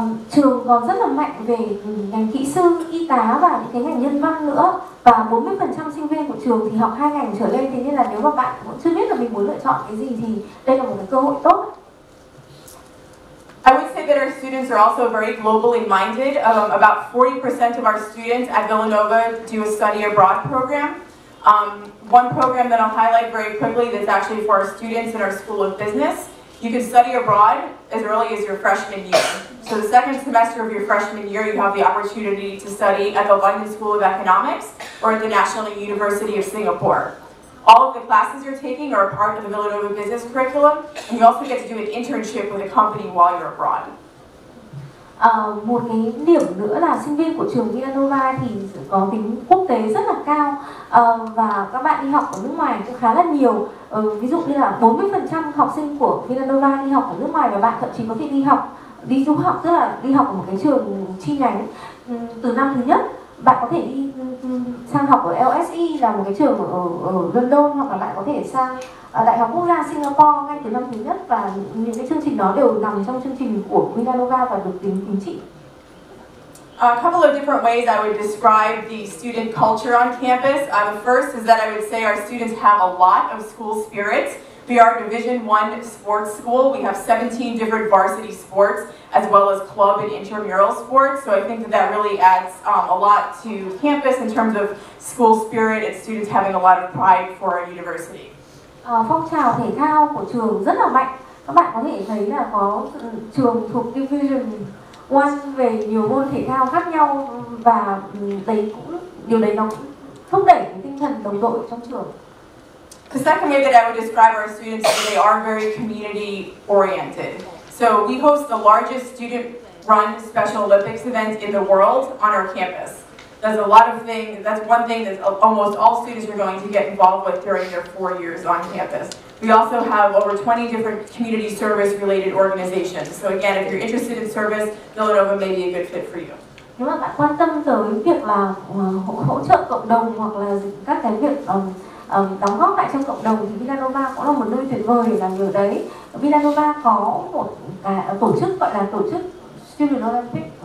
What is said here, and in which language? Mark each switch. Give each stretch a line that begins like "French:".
Vietnamese: Trường còn rất là mạnh về ngành kỹ sư, y tá và những cái ngành nhân văn nữa. Và 40% sinh viên của trường thì học hai ngành trở lên. Thế nên là nếu mà bạn cũng chưa biết là mình muốn lựa chọn cái gì thì đây là một cái cơ hội tốt.
English: I would say that our students are also very globally minded. About 40% of our students at Villanova do a study abroad program. One program that I'll highlight very quickly that's actually for our students in our School of Business. You can study abroad as early as your freshman year. So the second semester of your freshman year, you have the opportunity to study at the London School of Economics or at the National University of Singapore. All of the classes you're taking are a part of the Villanova Business Curriculum, and you also get to do an internship with a company while you're abroad.
Vietnamese: Một cái điểm nữa là sinh viên của trường Villanova thì có tính quốc tế rất là cao, và các bạn đi học ở nước ngoài cũng khá là nhiều. Ví dụ như là 40% học sinh của Villanova đi học ở nước ngoài, và bạn thậm chí có thể đi du học, tức là đi học ở một cái trường chi nhánh từ năm thứ nhất. Bạn có thể đi sang học ở LSE là một cái trường ở London, hoặc là bạn có thể sang Đại học Quốc gia Singapore ngay từ năm thứ nhất, và những cái chương trình đó đều nằm trong chương trình của Villanova và được tính trị.
English: A couple of different ways I would describe the student culture on campus. The first is that I would say our students have a lot of school spirit. We are a Division I sports school. We have 17 different varsity sports, as well as club and intramural sports. So I think that really adds a lot to campus in terms of school spirit and students having a lot of pride for our university.
Vietnamese: Phong trào thể thao của trường rất là mạnh. Các bạn có thể thấy là có trường thuộc Division I về nhiều môn thể thao khác nhau, và điều đấy nó thúc đẩy tinh thần đồng đội trong trường.
English: The second way that I would describe our students is they are very community oriented. So we host the largest student-run Special Olympics event in the world on our campus. That's one thing that almost all students are going to get involved with during their 4 years on campus. We also have over 20 different community service-related organizations. So again, if you're interested in service, Villanova may be a good fit for you.
Vietnamese: Nếu mà bạn quan tâm tới việc là hỗ trợ cộng đồng, hoặc là các cái việc đóng góp lại trong cộng đồng, thì Villanova cũng là một nơi tuyệt vời để làm điều đấy. Villanova có một tổ chức gọi là tổ chức Student Olympic.